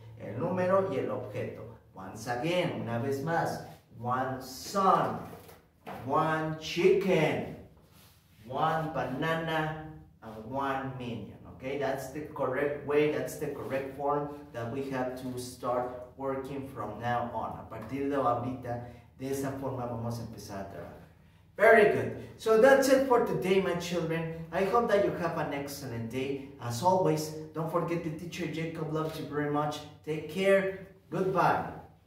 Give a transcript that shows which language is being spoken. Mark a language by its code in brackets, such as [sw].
[es] El número y el objeto. [en] Once again, [es] una vez más. [en] One sun, one chicken, one banana, and one minion, okay? That's the correct way, that's the correct form that we have to start working from now on. [es] A partir de ahorita, de esa forma vamos a empezar a trabajar. [en] Very good. So that's it for today, my children. I hope that you have an excellent day. As always, don't forget the teacher Jacob loves you very much. Take care. Goodbye.